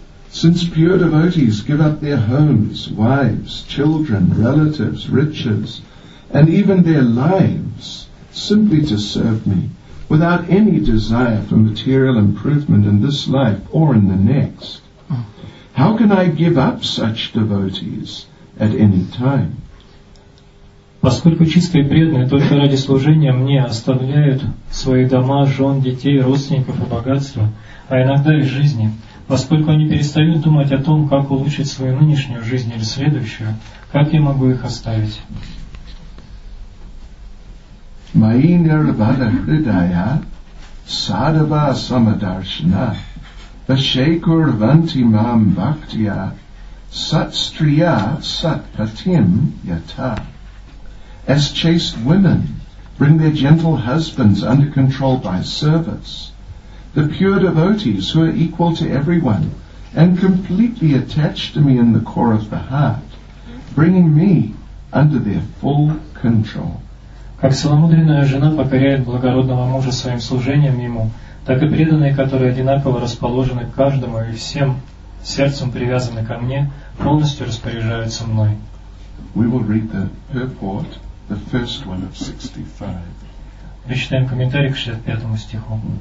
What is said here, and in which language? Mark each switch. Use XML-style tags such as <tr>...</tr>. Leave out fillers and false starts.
<en>Since pure devotees give up their homes, wives, children, relatives, riches, and even their lives, simply to serve me, without any desire for material improvement in this life or in the next, how can I give up such devotees at any time?</en> <ru>Поскольку чистые преданные только ради служения мне оставляют свои дома, жен, детей, родственников и богатства, а иногда и жизни, поскольку они перестают думать о том, как улучшить свою нынешнюю жизнь или следующую, как я могу их оставить?</ru> <sa>Мои нирвада хридая садава самадаршна башекур ванти мам бхактия сатстрия сатпатим ята.</sa> <en>As chaste women bring their gentle husbands under control by service, the pure devotees who are equal to everyone and completely attached to me in the core of the heart, bringing me under their full control.</en> <ru>Как целомудренная жена покоряет благородного мужа своим служением ему, так и преданные, которые одинаково расположены к каждому и всем сердцем привязаны ко мне, полностью распоряжаются мной.</ru> <en>We will read the purport. The first one of 65.</en> <ru>Мы читаем комментарий к 65 стиху.</ru>